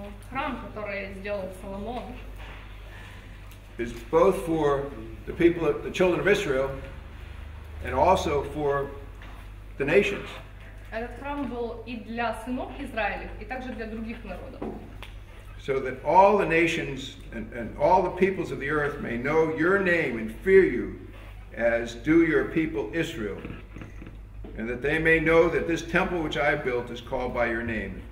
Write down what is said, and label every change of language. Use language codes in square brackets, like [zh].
[ru] Храм, который сделал Соломон. [en] Is both for the people of the children of Israel and also for the nations. [ru] Этот храм был и для сынов Израиля, и также для других народов. [en] So that all the nations and all the peoples of the earth may know your name and fear you as do your people Israel. And that they may know that this temple which I built is called by your name.